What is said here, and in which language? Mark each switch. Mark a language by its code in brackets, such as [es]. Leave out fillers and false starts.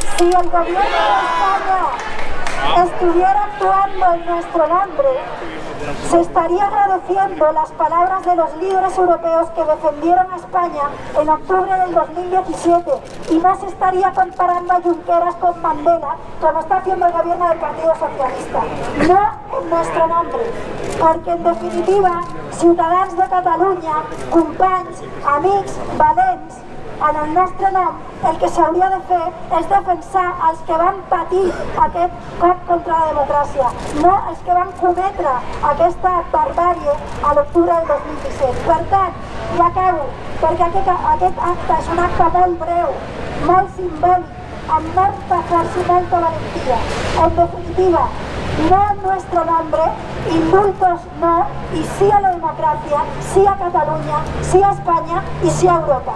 [es] El gobierno de España está estuviera actuando en nuestro nombre, se estaría reduciendo las palabras de los líderes europeos que defendieron a España en octubre del 2017 y no se estaría comparando a Junqueras con Mandela, como está haciendo el gobierno del Partido Socialista. No en nuestro nombre, porque en definitiva, ciudadanos de Cataluña, [ca] companys, amics, valents, en el nostre nom, el que s'hauria de fer és defensar els que van patir aquest cop contra la democràcia, no els que van cometre aquesta barbàrie a l'octubre del 2017. Per tant, i acabo, perquè aquest acte és un acte molt breu, molt simbòlic, amb molta força i molta valentia. [es] En definitiva, no en nuestro nombre, indultos no, y sí a la democracia, sí a Cataluña, sí a España y sí a Europa.